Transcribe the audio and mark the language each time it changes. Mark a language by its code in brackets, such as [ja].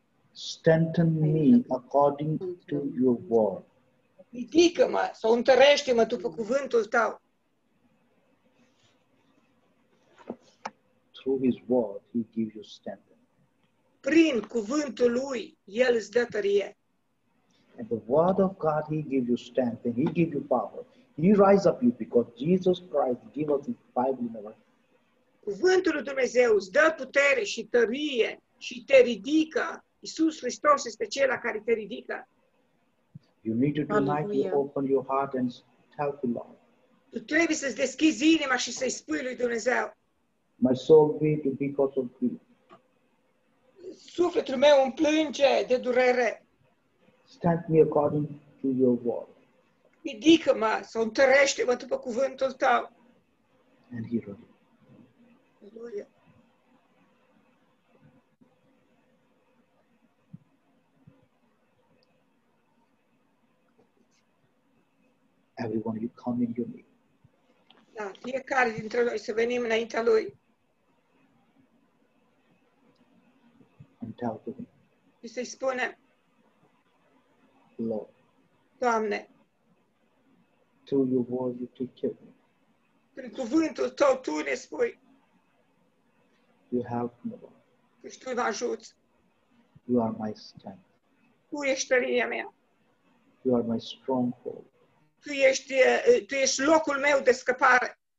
[en] Strengthen me according to your word. [ro] Ridică-mă sau întărește-mă după cuvântul tău. [en] Through his word, he gives you strength. [ro] Prin cuvântul lui, el îți dă tărie. [en] And the word of God, he gives you strength and he gives you power. He rises up you because Jesus Christ gives us his Bible in our hand. [ro] Cuvântul lui Dumnezeu îți dă putere și tărie și te ridică. Iisus Hristos este Cel care te ridică. [en] You need to tonight to open your heart and tell the Lord. [ro] Tu trebuie să-ți deschizi inima și să-i spui lui Dumnezeu. [en] My soul weep because of grief. [ro] Sufletul meu îmi plânge de durere. [en] Stand me according to your word. [ro] Ridică-mă sau întărește-mă după cuvântul tău. [en] And he wrote it. Hallelujah. everyone, you come in your name. [ro] Da, fiecare dintre noi să venim înaintea Lui. [en] And tell to Him. [ro] Și să-i spune. [en] Lord. [ro] Doamne. [en] Through your word you take care of me. [ro] Prin cuvântul Tău Tu ne spui. [en] You help me. [ro] Că Tu mă ajuți. [en] You are my strength. [ro] Tu ești tăria mea. [en] You are my stronghold. [ro] Tu ești locul meu de scăpare.